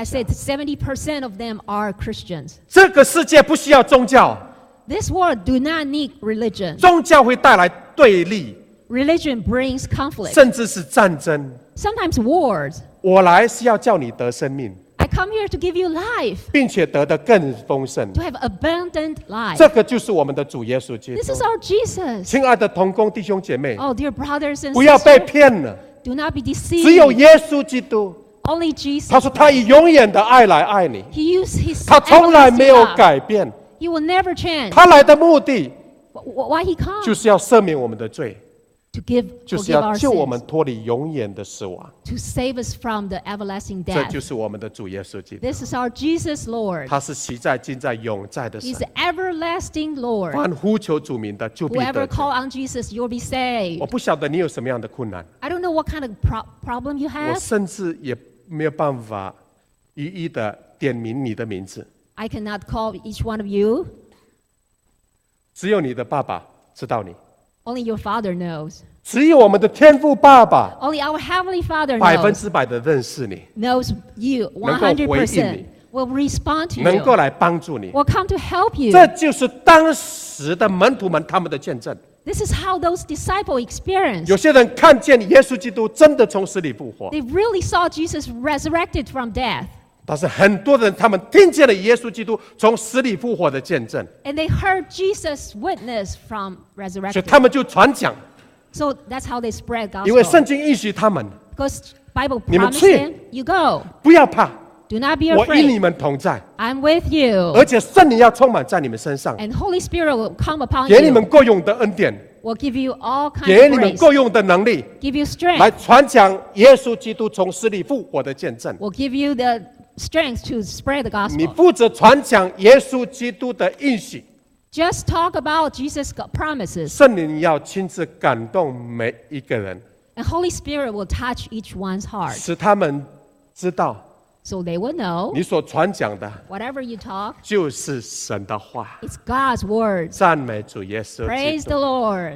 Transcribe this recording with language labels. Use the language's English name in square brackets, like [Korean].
[English] Like I said, 70% of them are Christians. [Chinese] 这个世界不需要宗教。 [English] This world do not need religion. [Chinese] 宗教会带来对立。 [English] Religion brings conflict. [Chinese] 甚至是战争。 [English] Sometimes wars. [Chinese] 我来是要叫你得生命。 [English] I come here to give you life. [Chinese] 并且得的更丰盛。 [English] To have abundant life. [Chinese] 这个就是我们的主耶稣基督。 [English] This is our Jesus. [Chinese] 亲爱的同工弟兄姐妹。 [English] Oh, dear brothers and sisters. [Chinese] 不要被骗了。 [English] Do not be deceived. [Chinese] 只有耶稣基督。 [English] Only Jesus. [Chinese] 他说他以永远的爱来爱你。 [English] He used his. [Chinese] 他从来没有改变。 [English] He will never change. [Chinese] 他来的目的。 [English] Why he come? [Chinese] 就是要赦免我们的罪。 [English] To give, [Chinese] 就是要救我们脱离永远的死亡。 [English] To save us from the everlasting death. [Chinese] 这就是我们的主耶稣基督。 [English] This is our Jesus Lord. [Chinese] 他是昔在、今在、永在的神。 [English] He's everlasting Lord. [Chinese] 凡呼求主名的就必得救。 [English] Whoever call on Jesus, you'll be saved. [Chinese] 我不晓得你有什么样的困难。 [English] I don't know what kind of problem you have. [Chinese] 我甚至也没有办法一一的点名你的名字。 [English] I cannot call each one of you. [Chinese] 只有你的爸爸知道你。 [English] Only your father knows. [Chinese] 只有我们的天父爸爸。 [English] Only our heavenly father knows. [Chinese] 百分之百的认识你。 [English] Knows you 100%. Will respond to you. [Chinese] 能够来帮助你。 [English] Will come to help you. [Chinese] 这就是当时的门徒们他们的见证。 [English] This is how those disciples experienced. [Chinese] 有些人看见耶稣基督真的从死里复活。 [English] They really saw Jesus resurrected from death. [Chinese] 但是很多人他们听见了耶稣基督从死里复活的见证。 [English] And they heard Jesus witness from resurrection. [Chinese] 所以他们就传讲。 [English] So that's how they spread gospel. [Chinese] 因为圣经应许他们。 [English] Because Bible promised them, you go. [Chinese] 不要怕。 [English] Do not be afraid. [Chinese] 我与你们同在。 [English] I'm with you. [Chinese] 而且圣灵要充满在你们身上。 [English] And Holy Spirit will come upon you. [Chinese] 给你们够用的恩典。 [English] Will give you all kinds of [Chinese] grace. 给你们够用的能力。 [English] Give you strength. [Chinese] 来传讲耶稣基督从死里复活的见证。 [English] Will give you the strength to spread the gospel. [Chinese] 你负责传讲耶稣基督的应许。 [English] Just talk about Jesus' promises. [Chinese] 圣灵要亲自感动每一个人。 [English] And Holy Spirit will touch each one's heart. [Chinese] 使他们知道。 [English] So they will know. [Chinese] 你所传讲的。 [English] Whatever you talk. [Chinese] 就是神的话。 [English] It's God's word. [Chinese] 赞美主耶稣基督。 [English] Praise the Lord.